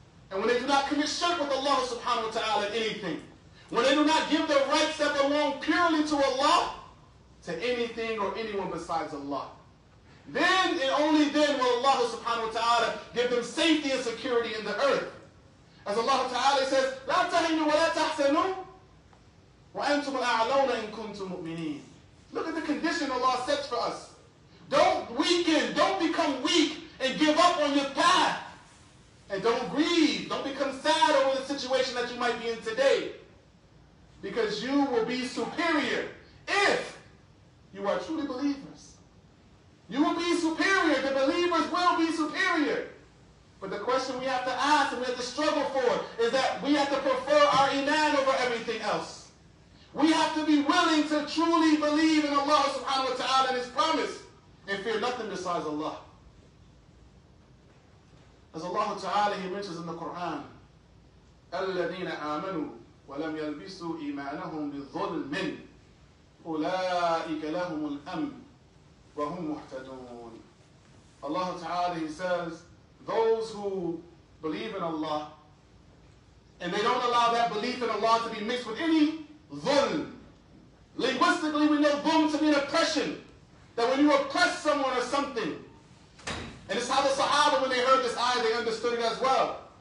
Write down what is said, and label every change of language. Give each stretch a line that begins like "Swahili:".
English: And when they do not commit shirk with Allah subhanahu wa ta'ala anything, when they do not give their rights that belong purely to Allah, to anything or anyone besides Allah. Then and only then will Allah subhanahu wa ta'ala give them safety and security in the earth. As Allah ta'ala says,
Arabic: لَا تَهِنُوا وَلَا تَحْسَنُوا وَأَنْتُمُ الْأَعْلَوْنَ إِن كُنْتُمْ مُؤْمِنِينَ.
English: Look at the condition Allah sets for us. Don't weaken, don't become weak and give up on your path. And don't grieve, don't become sad over the situation that you might be in today. Because you will be superior if you are truly believers. You will be superior. The believers will be superior. But the question we have to ask and we have to struggle for is that we have to prefer our iman over everything else. We have to be willing to truly believe in Allah subhanahu wa ta'ala and His promise and fear nothing besides Allah. As Allah ta'ala, He mentions in the Quran,
Arabic: أَلَّذِينَ آمَنُوا وَلَمْ يَلْبِسُوا إِيمَانَهُمْ بِالظُّلْمٍ أُولَٰئِكَ لَهُمُ الْأَمْنِ وَهُمْ مُحْتَدُونَ.
English: Allah Ta'ala, He says, those who believe in Allah, and they don't allow that belief in Allah to be mixed with any dhulm. Linguistically, we know dhulm to mean oppression. That when you oppress someone or something, and it's how the Sahaba, when they heard this ayah, they understood it as well.